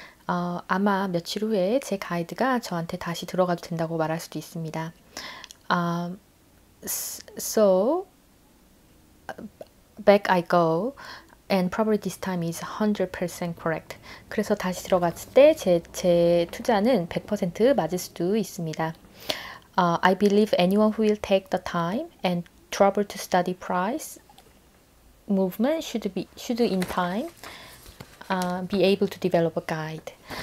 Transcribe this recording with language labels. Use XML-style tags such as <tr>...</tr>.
<ko>아마 며칠 후에 제 가이드가 저한테 다시 들어가도 된다고 말할 수도 있습니다.</ko> <en>So back I go, and probably this time is 100% correct.</en> <ko>그래서 다시 들어갔을 때 제 투자는 100% 맞을 수도 있습니다.</ko> <en>I believe anyone who will take the time and trouble to study price movement should in time be able to develop a guide.</en>